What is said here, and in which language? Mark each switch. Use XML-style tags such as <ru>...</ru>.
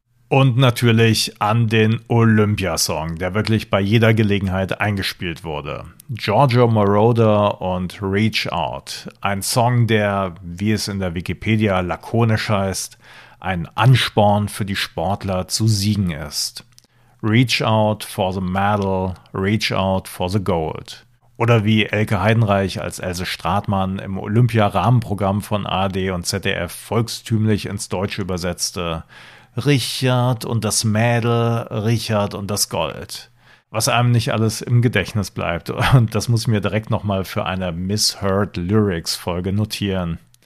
<de>Und natürlich an den Olympiasong, der wirklich bei jeder Gelegenheit eingespielt wurde. Giorgio Moroder und Reach Out. Ein Song, der, wie es in der Wikipedia lakonisch heißt, ein Ansporn für die Sportler zu siegen ist.</de> <en>Reach out for the medal, reach out for the gold.</en> <de>Oder wie Elke Heidenreich als Else Stratmann im Olympia-Rahmenprogramm von ARD und ZDF volkstümlich ins Deutsche übersetzte: Richard und das Mädel, Richard und das Gold. Was einem nicht alles im Gedächtnis bleibt. Und das muss ich mir direkt nochmal für eine Misheard Lyrics-Folge notieren.</de>